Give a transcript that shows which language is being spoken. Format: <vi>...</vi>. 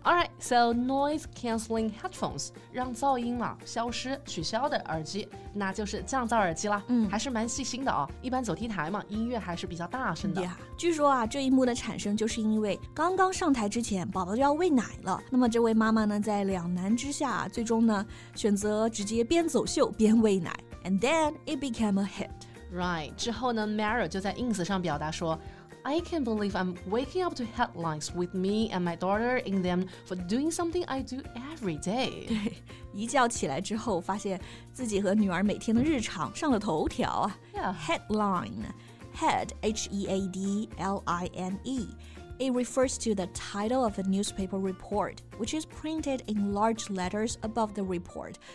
<en>Alright, so noise cancelling headphones，</en> <zh>让噪音嘛消失取消的耳机，那就是降噪耳机啦。还是蛮细心的哦，一般走 T 台嘛，音乐还是比较大声的。 Yeah, 据说啊，这一幕的产生就是因为刚刚上台之前宝宝就要喂奶了，那么这位妈妈呢在两难之下，最终呢选择直接边走秀边喂奶。</zh> <en>And then it became a hit. Right,</en> <zh>之后呢 Meryl 就在 Ins 上表达说，</zh> <en>I can't believe I'm waking up to headlines with me and my daughter in them for doing something I do every day.</en> <zh>对，一觉起来之后发现自己和女儿每天的日常上了头条啊。</zh> <en>Yeah. Headline, head, H-E-A-D-L-I-N-E. It refers to the title of a newspaper report, which is printed in large letters above the report.</en>